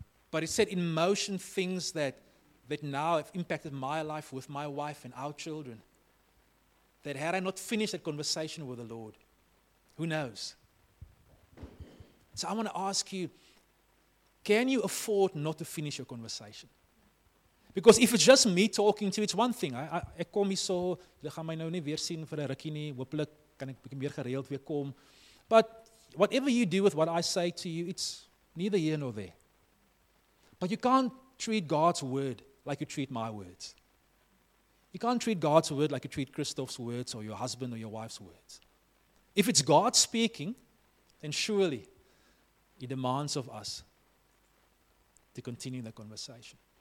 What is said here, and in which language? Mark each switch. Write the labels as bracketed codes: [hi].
[en] But it set in motion things that now have impacted my life with my wife and our children. That had I not finished that conversation with the Lord, who knows? So I want to ask you, can you afford not to finish your conversation? Because if it's just me talking to you, it's one thing. [af] I call me so, jy gaan my nou nie weer sien vir 'n rukkie nie. Hopelik kan ek bietjie meer gereeld weer kom. [en] But whatever you do with what I say to you, it's neither here nor there. But you can't treat God's word like you treat my words. You can't treat God's word like you treat Christoph's words or your husband or your wife's words. If it's God speaking, then surely He demands of us to continue the conversation.